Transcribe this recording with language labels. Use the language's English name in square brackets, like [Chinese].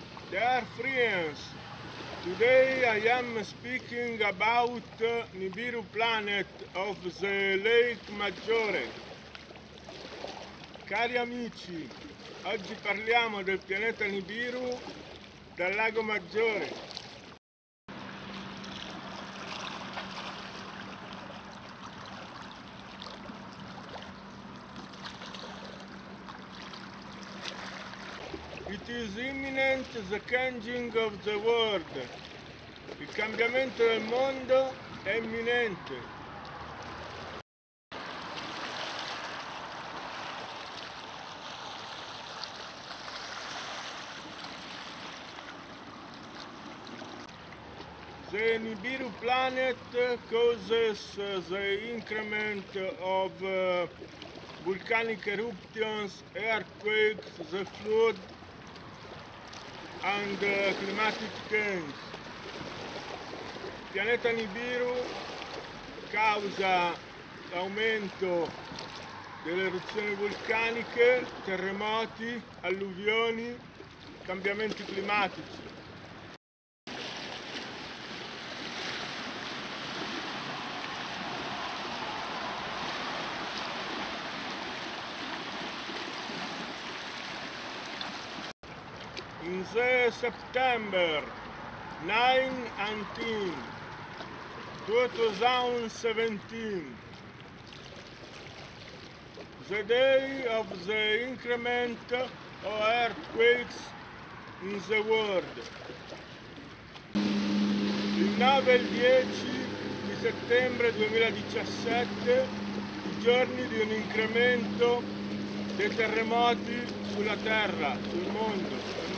[English] Dear friends, today I am speaking about Nibiru planet of the Lake Maggiore. [Italian] Cari amici, oggi parliamo del pianeta Nibiru dal Lago Maggiore. [English] It is imminent the changing of the world. [Italian] Il cambiamento del mondo è imminente. [English] The Nibiru planet causes the increment of volcanic eruptions, earthquakes, the flood, and climatic change. [Italian] Il pianeta Nibiru causa l'aumento delle eruzioni vulcaniche, terremoti, alluvioni, cambiamenti climatici. [English] In the September 19, 2017, the day of the increment of earthquakes in the world. [Italian] Il 9 e il 10 di settembre 2017, i giorni di un incremento dei terremoti sulla Terra, sul mondo.